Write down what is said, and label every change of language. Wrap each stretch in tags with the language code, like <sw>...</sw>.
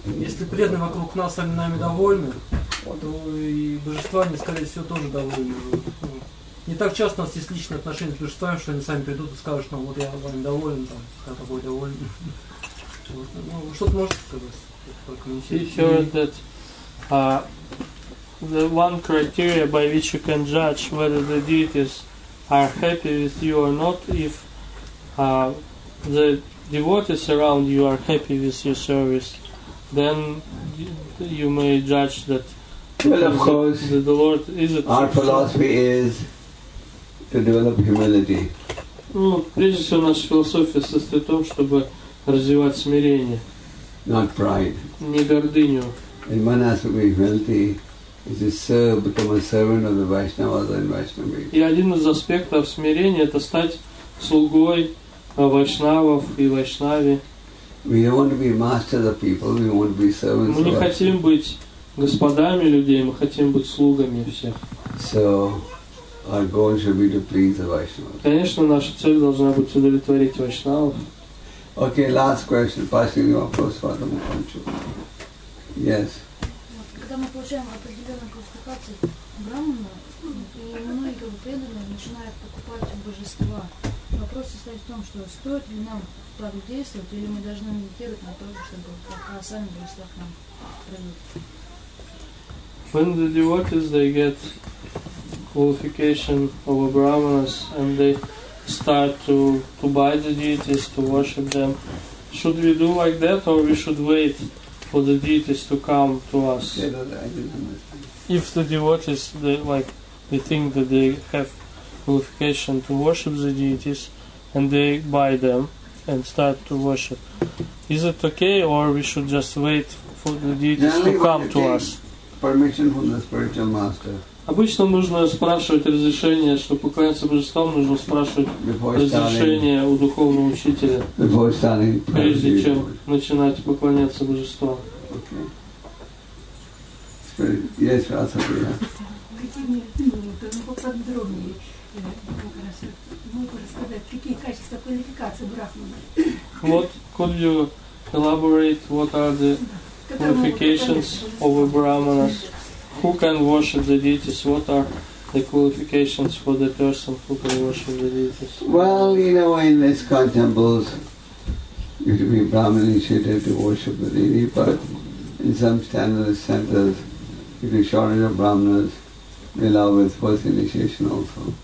<ru>Если преданные вокруг нас сами нами довольны, то и божества, они, скорее всего, тоже довольны. не так часто у нас есть личные отношения с божествами, что они сами придут и скажут, что вот я вам доволен, там, я тобой доволен. Ну, что-то можете сказать? Еще этот...</ru> <en>The one criteria by which you can judge whether the deities are happy with you or not, if the devotees around you are happy with your service, then you may judge that. Well, of course, the Lord is it. Our philosophy is to develop humility.</en> <ru>Ну, прежде всего наша философия состоит в том, чтобы развивать смирение.</ru> <en>Not pride.</en> <ru>Не гордыню.</ru> <en>And one has to be humility. Is to serve, become a servant of the Vaishnavas and Vaishnavis.</en> <ru>И один из аспектов смирения — это стать слугой Вайшнавов и Вайшнави.</ru> <en>We don't want to be masters of people. We want to be servants.</en> <ru>Мы не хотим быть господами людей. Мы хотим быть слугами всех.</ru> <en>So our goal should be to please the Vaishnavas.</en> <ru>Конечно, наша цель должна быть удовлетворить Вайшнавов.</ru> <en>Okay, last question. Passing the offers for the Mukunchu. Yes.</en> <ru>Когда мы получаем определенную квалификацию брахмана, и многие как бы преданные начинают покупать божества, вопрос состоит в том, что стоит ли нам так действовать, или мы должны медитировать на то, чтобы пока сами божества к нам придут.</ru> <en>When the devotees, they get qualification of brahmanas and they start to buy the deities, to worship them, should we do like that or we should wait for the deities to come to us? If the devotees, they think that they have qualification to worship the deities and they buy them and start to worship, is it okay or we should just wait for the deities to come to us? Permission from the spiritual master.</en> <ru>Обычно нужно спрашивать разрешение, чтобы поклоняться божествам, нужно спрашивать разрешение у духовного учителя, прежде чем начинать поклоняться божествам.</ru> <en>Okay. Yes, Rasa, yeah.</en> <ru>Какими минутами, поподробнее, мог бы рассказать, какие качества квалификации брахмана?</ru> <en>What could you elaborate, what are the qualifications of a brahmana? Who can worship the deities? What are the qualifications for the person who can worship the deities? Well, you know, in this kind of temples, you should be Brahmin initiated to worship the deity, but in some standard centers, you can shortage of Brahmanas, they allow with first initiation also.</en>